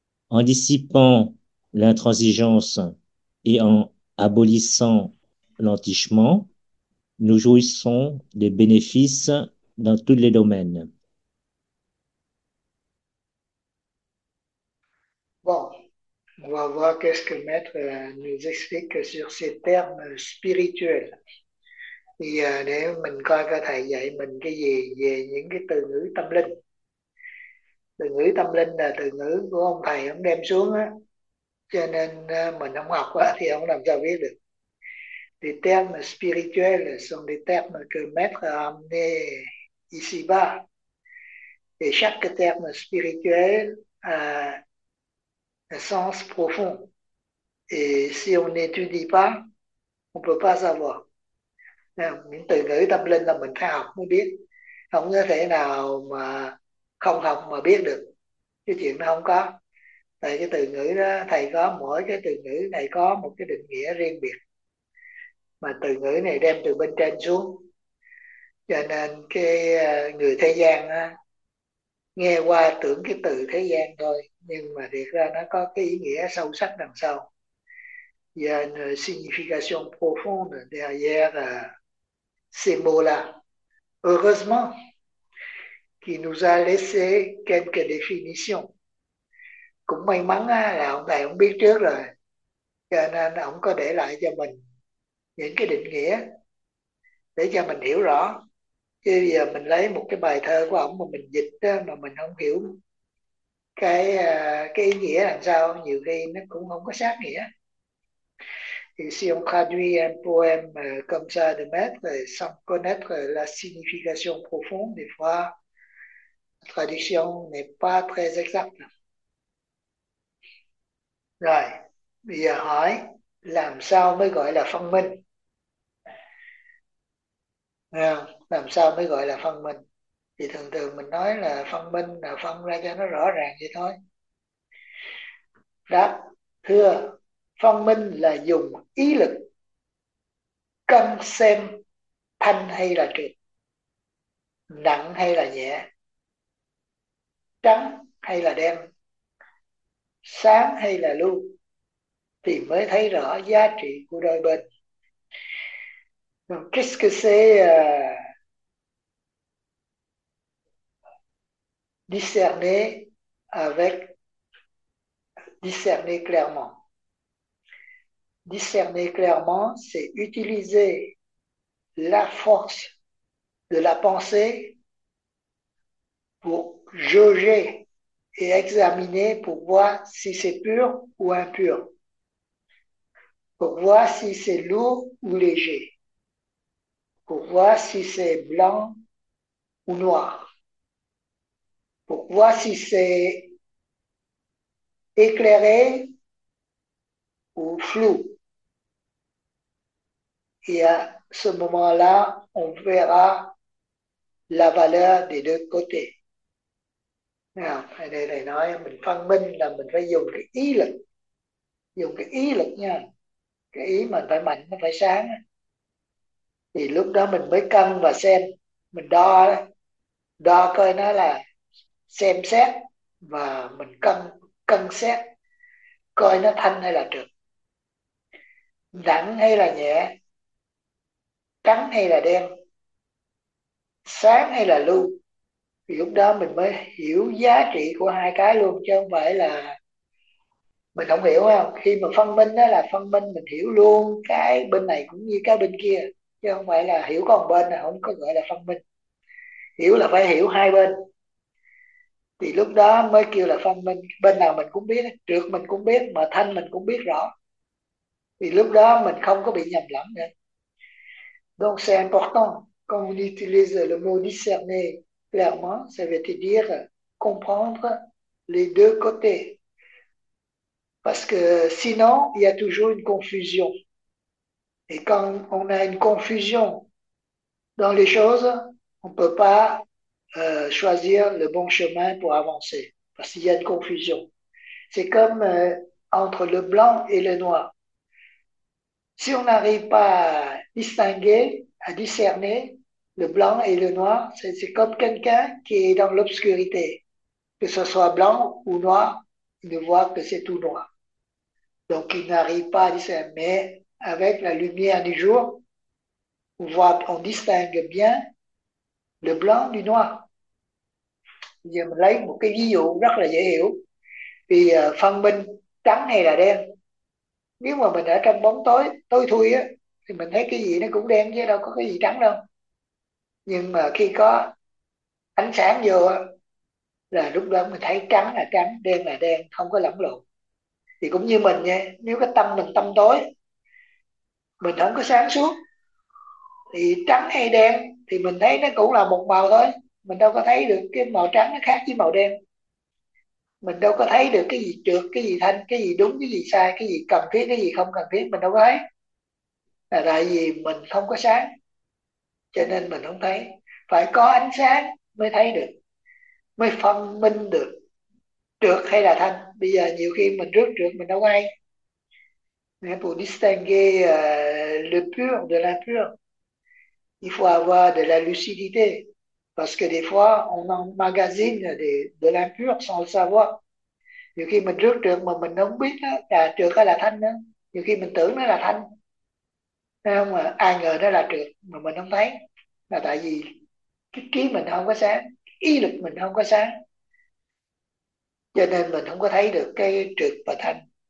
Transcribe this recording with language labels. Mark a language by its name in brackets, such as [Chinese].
[French] En dissipant l'intransigeance et en abolissant l'entichement, nous jouissons des bénéfices dans tous les domaines. Bon, on va voir qu'est-ce que Maître nous explique sur ces termes spirituels. [Vietnamese] Et nếu mình coi cơ thầy dạy mình cái gì về những cái từ ngữ tâm linh. Từ ngữ tâm linh là từ ngữ của ông thầy ông đem xuống á, cho nên mình không học quá thì không làm sao biết được. [French] Les termes spirituels sont des termes que Maître a amenés ici-bas. Et chaque terme spirituel a un sens profond. Et si on n'étudie pas, on peut pas savoir. [Vietnamese] Những từ ngữ tâm linh là mình phải học mới biết. Không có thể nào mà không học mà biết được. Cái chuyện nó không có. Tại cái từ ngữ đó, thầy có mỗi cái từ ngữ này có một cái định nghĩa riêng biệt. Mà từ ngữ này đem từ bên trên xuống. Cho nên cái người thế gian á, nghe qua tưởng cái từ thế gian thôi, nhưng mà thiệt ra nó có cái ý nghĩa sâu sắc đằng sau. [French] Il y a une signification profonde derrière ces mots-là. Heureusement qu'il nous a laissé quelques définitions. [Vietnamese] Cũng may mắn là ông này ông biết trước rồi, cho nên ông có để lại cho mình những cái định nghĩa để cho mình hiểu rõ. Bây giờ mình lấy một cái bài thơ của ổng mà mình dịch đó, mà mình không hiểu cái ý nghĩa làm sao, nhiều khi nó cũng không có sát nghĩa. Si on traduit un poème comme ça de maître sans connaître la signification profonde, des fois, la traduction n'est pas très exacte. Rồi, bây giờ hỏi làm sao mới gọi là phân minh? Yeah. Làm sao mới gọi là phân minh? Thì thường thường mình nói là phân minh là phân ra cho nó rõ ràng vậy thôi. Đáp, thưa, phân minh là dùng ý lực cân xem thanh hay là trượt, nặng hay là nhẹ, trắng hay là đen, sáng hay là lu, thì mới thấy rõ giá trị của đôi bên. [French] Qu'est-ce que c'est discerner avec discerner clairement. Discerner clairement, c'est utiliser la force de la pensée pour jauger et examiner pour voir si c'est pur ou impur, pour voir si c'est lourd ou léger, pour voir si c'est blanc ou noir. Pour voir si c'est éclairé ou flou. Et à ce moment-là, on verra la valeur des deux côtés. [Vietnamese] Alors, đây thầy nói mình phân minh là mình phải dùng cái ý lực. Dùng cái ý lực nha. Cái ý mình phải mạnh, nó phải sáng. Thì lúc đó mình mới cân và xem. Mình đo. Đo coi nó là xem xét và mình cân cân xét coi nó thanh hay là nặng hay là nhẹ, trắng hay là đen, sáng hay là lu, thì lúc đó mình mới hiểu giá trị của hai cái luôn, chứ không phải là mình không hiểu. Không, khi mà phân minh đó là phân minh mình hiểu luôn cái bên này cũng như cái bên kia, chứ không phải là hiểu có một bên là không có gọi là phân minh. Hiểu là phải hiểu hai bên thì lúc đó mới kêu là phân minh. Bên nào mình cũng biết, trượt mình cũng biết mà thanh mình cũng biết rõ, thì lúc đó mình không có bị nhầm lẫn nữa. [French] Donc c'est important quand on utilise le mot discerner clairement, ça veut dire comprendre les deux côtés, parce que sinon il y a toujours une confusion. Et quand on a une confusion dans les choses, on peut pas choisir le bon chemin pour avancer, parce qu'il y a une confusion. C'est comme entre le blanc et le noir. Si on n'arrive pas à distinguer, à discerner le blanc et le noir, c'est comme quelqu'un qui est dans l'obscurité. Que ce soit blanc ou noir, il ne voit que c'est tout noir. Donc il n'arrive pas à discerner. Mais avec la lumière du jour, on voit, on distingue bien le blanc du noir. [Vietnamese] Giờ mình lấy một cái ví dụ rất là dễ hiểu. Vì phân minh trắng hay là đen, nếu mà mình ở trong bóng tối tối thui á, thì mình thấy cái gì nó cũng đen chứ đâu có cái gì trắng đâu. Nhưng mà khi có ánh sáng vô là lúc đó mình thấy trắng là trắng, đen là đen, không có lẫn lộn. Thì cũng như mình nha, nếu cái tâm mình tâm tối, mình không có sáng suốt, thì trắng hay đen thì mình thấy nó cũng là một màu thôi, mình đâu có thấy được cái màu trắng nó khác với màu đen, mình đâu có thấy được cái gì trượt cái gì thanh, cái gì đúng cái gì sai, cái gì cần thiết cái gì không cần thiết, mình đâu có thấy. Là tại vì mình không có sáng cho nên mình không thấy, phải có ánh sáng mới thấy được, mới phân minh được trượt hay là thanh. Bây giờ nhiều khi mình rước trượt mình đâu có hay. [French] Mais pour distinguer le pur de l'impur, il faut avoir de la lucidité, parce que des fois on emmagasine de l'impur sans le savoir. [Vietnamese] Nhiều khi mình rước trượt mà mình không biết là trượt hay là thanh nữa, nhiều khi mình tưởng nó là thanh, thấy không, mà ai ngờ nó là trượt mà mình không thấy, là tại vì cái trí mình không có sáng, ý lực mình không có sáng, cho nên mình không có thấy được cái trượt và thanh.